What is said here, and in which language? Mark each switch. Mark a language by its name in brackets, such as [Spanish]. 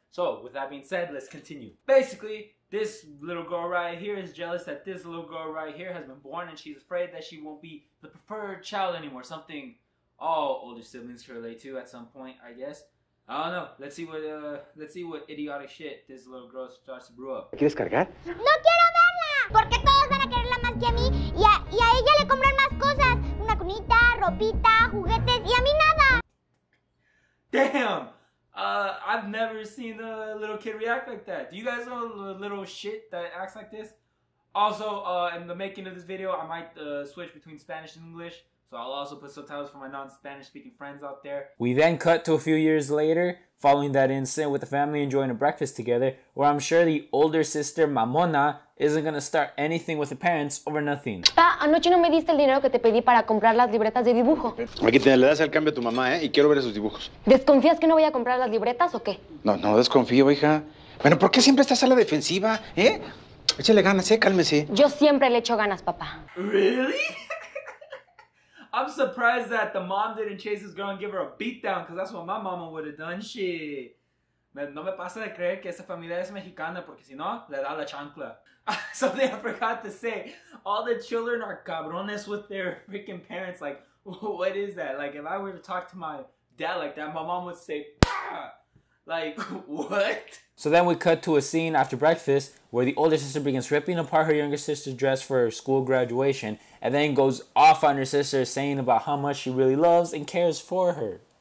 [English] So, with that being said, let's continue. Basically, this little girl right here is jealous that this little girl right here has been born, and she's afraid that she won't be the preferred child anymore. Something all older siblings can relate to at some point, I guess. I don't know. Let's see what idiotic shit this little girl starts to brew up. [Spanish] ¿Quieres cargar? No quiero verla, porque todos van a quererla más que a mí y a ella le compran más cosas, una cunita, ropita, juguetes y a mí nada. [English] Damn, I've never seen a little kid react like that. Do you guys know a little shit that acts like this? Also, in the making of this video, I might switch between Spanish and English. So I'll also put subtitles for my non-Spanish speaking friends out there. We then cut to a few years later, following that incident with the family enjoying a breakfast together, where I'm sure the older sister, Mamona, isn't gonna start anything with the parents over nothing. [Spanish] Pa, anoche no me diste el dinero que te pedí para comprar las libretas de dibujo. Aquí te le das el cambio a tu mamá, y quiero ver esos dibujos. ¿Desconfías que no voy a comprar las libretas o qué? No desconfío, hija. Bueno, ¿por qué siempre estás a la defensiva, Échale ganas, cálmese. Yo siempre le echo ganas, papá. [English] ¿Really? I'm surprised that the mom didn't chase this girl and give her a beatdown, because that's what my mama would have done. Shit. [Spanish] No me pasa de creer que esa familia es mexicana, porque si no, le da la chancla. [English] Something I forgot to say. All the children are cabrones with their freaking parents. Like, what is that? Like, if I were to talk to my dad like that, my mom would say, "Pah!" Like, what? So then we cut to a scene after breakfast where the older sister begins ripping apart her younger sister's dress for her school graduation and then goes off on her sister saying about how much she really loves and cares for her.